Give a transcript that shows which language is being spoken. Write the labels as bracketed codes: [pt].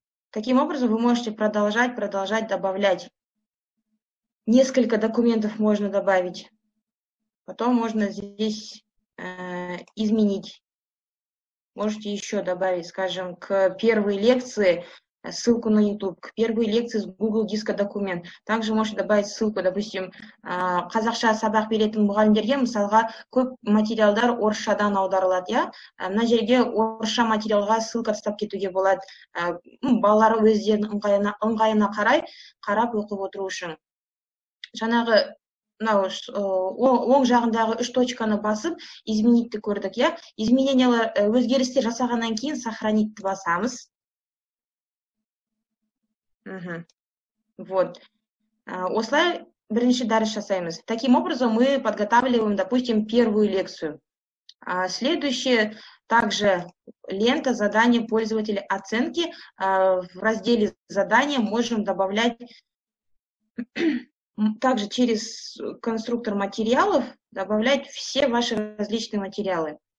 [ru] Таким образом вы можете продолжать добавлять. Несколько документов можно добавить, потом можно здесь изменить. Можете еще добавить, скажем, к первой лекции ссылку на YouTube, к первой лекции с Google диска документ. Также можете добавить ссылку, допустим, [kk] «Казахша сабақ беретін мұғалімдерге», мысалға, көп материалдар орысшадан аударылады, я? На жерге орысша материалға ссылка тастап кетуге болады. Балалар өздерінің ыңғайына қарап оқып отыру үшін. Жаңағы оң жағындағы үш точканы басып, изменитті көрдік, я? Изменениялар өзгерісті жасағаннан кейін сохранитті басамыз. Вот. Осылай бірінші дәріс жасаймыз. [ru] Таким образом, мы подготавливаем, допустим, первую лекцию. Следующее, также лента задания пользователя оценки. В разделе задания можем добавлять, также через конструктор материалов, добавлять все ваши различные материалы.